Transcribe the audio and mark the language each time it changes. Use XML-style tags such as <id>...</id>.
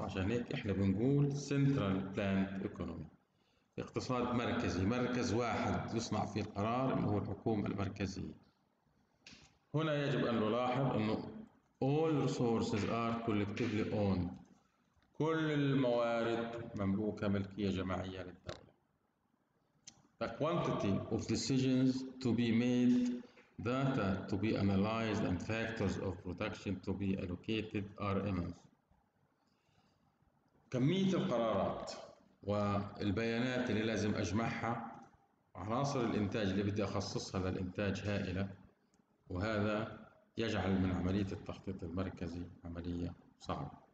<ar>عشان هيك احنا بنقول سنترال بلاند ايكونومي، اقتصاد مركزي، مركز واحد يصنع فيه القرار، اللي هو الحكومة المركزية. هنا يجب أن نلاحظ أنه</ar> <en>all resources are collectively owned،</en> <ar>كل الموارد مملوكة ملكية جماعية للدولة.</ar> <en>The quantity of decisions to be made, data to be analyzed, and factors of production to be allocated are immense.</en> <ar>كمية القرارات والبيانات اللي لازم أجمعها، عناصر الإنتاج اللي بدي أخصصها للإنتاج هائلة، وهذا يجعل من عملية التخطيط المركزي عملية صعبة.</ar>